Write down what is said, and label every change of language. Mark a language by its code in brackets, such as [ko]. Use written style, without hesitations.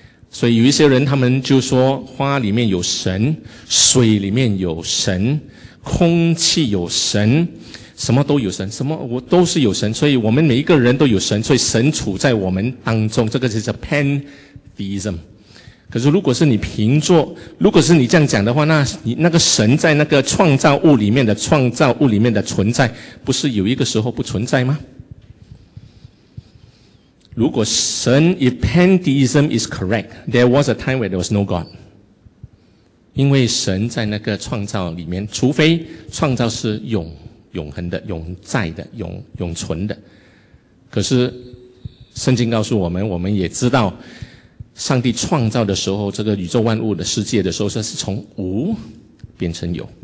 [zh] 所以有一些人他们就说花里面有神，水里面有神，空气有神，什么都有神，什么我都是有神，所以我们每一个人都有神，所以神处在我们当中，这个就是 pantheism。可是如果是你凭着，如果是你这样讲的话，那你那个神在那个创造物里面的创造物里面的存在，不是有一个时候不存在吗？如果神 [en] if pantheism is correct, there was a time where there was no God。 [zh] 因为神在那个创造里面，除非创造是永恒的、永在的、永存的。可是圣经告诉我们，我们也知道上帝创造的时候，这个宇宙万物的世界的时候，它是从无变成有。